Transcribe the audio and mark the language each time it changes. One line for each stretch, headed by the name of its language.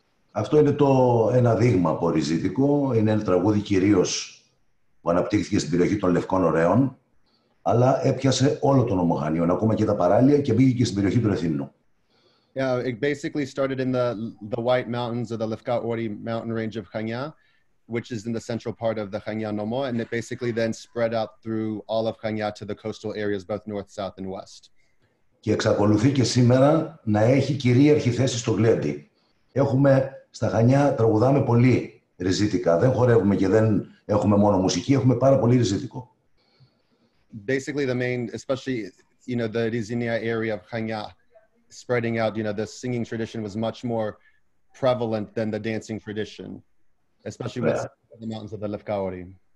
Greek: Αυτό είναι ένα δείγμα από ριζίτικο. Είναι ένα τραγούδι κυρίως που αναπτύχθηκε στην περιοχή των Λευκών Ωραίων, αλλά έπιασε όλο τον Ομοχανίο, ακόμα και τα παράλια, και μπήκε και στην περιοχή του Ρεθύμνου.
English: Yeah, it basically started in the White Mountains or the Lefka Ori mountain range of Chania, which is in the central part of the Chania Nomo, and it basically then spread out through all of Chania to the coastal areas, both north, south and west.
Greek: Και εξακολουθεί και σήμερα να έχει κυρίαρχη θέση στο Γλέντι. Έχουμε στα Χανιά, τραγουδάμε πολύ ριζίτικα. Δεν χορεύουμε και δεν έχουμε μόνο μουσική, έχουμε πάρα πολύ ριζίτικο.
English: Basically the main, especially, you know, the Rizinia area of Chania, spreading out, you know, the singing tradition was much more prevalent than the dancing tradition, especially with the mountains of the Lefkaori.